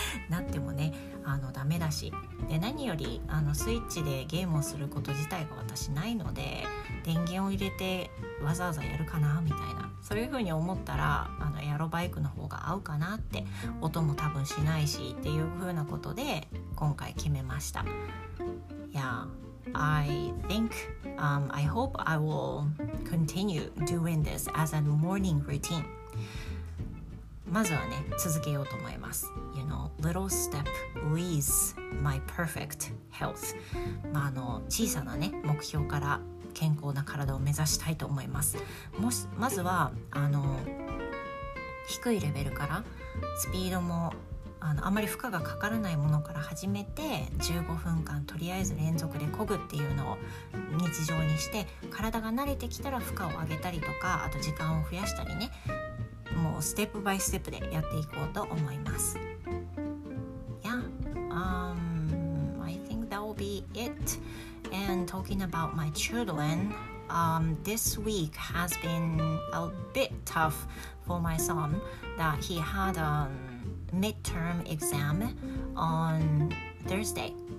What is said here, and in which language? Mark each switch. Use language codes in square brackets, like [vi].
[ja] なってもね、あのダメだし、で何よりあのスイッチでゲームをすること自体が私ないので、電源を入れてわざわざやるかなみたいな、そういう風に思ったらあのエアロバイクの方が合うかなって、音も多分しないしっていう風なことで今回決めました。 [en] Yeah, I think、I hope I will continue doing this as a morning routine. [ja] まずはね続けようと思います。 You know, little step leads my perfect health、まあ、あの小さなね目標から健康な体を目指したいと思います。もしまずはあの低いレベルから、スピードも あまり負荷がかからないものから始めて、15分間とりあえず連続で漕ぐっていうのを日常にして、体が慣れてきたら負荷を上げたりとか、あと時間を増やしたりね、もうステップバイステップでやっていこうと思います。 [en] Yeah, I think that will be it. And talking about my children, This week has been a bit tough for my son, that he had a midterm exam on Thursday.